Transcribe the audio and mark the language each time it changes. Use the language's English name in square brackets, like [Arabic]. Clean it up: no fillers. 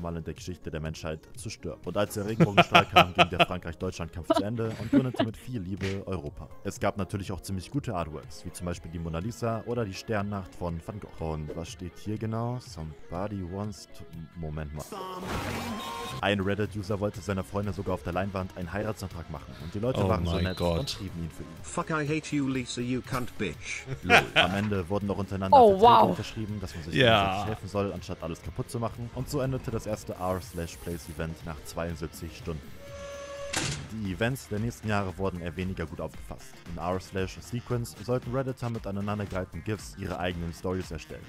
[German] Mal in der Geschichte der Menschheit zu stören. Und als der Regenbogenstrahl kam, ging der Frankreich-Deutschland-Kampf zu Ende und gründete mit viel Liebe Europa. Es gab natürlich auch ziemlich gute Artworks, wie zum Beispiel die Mona Lisa oder die Sternnacht von Van Gogh. Und was steht hier genau? [English] Somebody wants to... [German] Moment mal. Ein Reddit-User wollte seiner Freundin sogar auf der Leinwand einen Heiratsantrag machen. Und die Leute waren so nett und schrieben ihn für ihn. [English] Fuck, I hate you, Lisa, you cunt bitch. Lol. [German] Am Ende wurden noch untereinander Verträge unterschrieben, dass man sich gegenseitig helfen soll, anstatt alles kaputt zu machen. Und so endete das erste r/place-Event nach 72 Stunden. Die Events der nächsten Jahre wurden eher weniger gut aufgefasst. In r/sequence sollten Redditor mit aneinander gehalten GIFs ihre eigenen Stories erstellen.